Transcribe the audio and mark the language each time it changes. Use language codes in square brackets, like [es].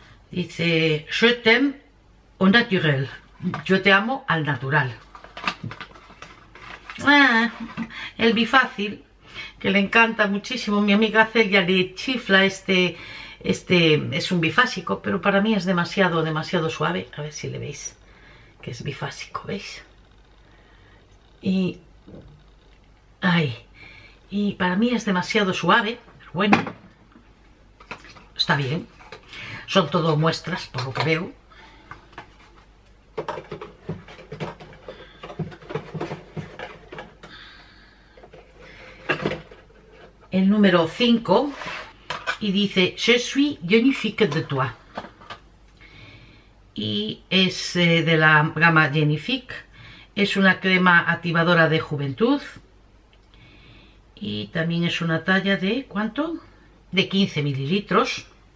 [fr] Dice, je t'aime au naturel. [es] Yo te amo al natural. Ah, el bifácil, que le encanta muchísimo. Mi amiga Celia le chifla este... Este es un bifásico, pero para mí es demasiado, demasiado suave. A ver si le veis que es bifásico, ¿veis? Y... ¡ay! Y para mí es demasiado suave, pero bueno, está bien. Son todo muestras, por lo que veo. El número 5... Y dice, [fr] je suis jeune fille de toi. [es] Y es de la gama Jeune Fille. Es una crema activadora de juventud. Y también es una talla de, ¿cuánto? De 15 mililitros.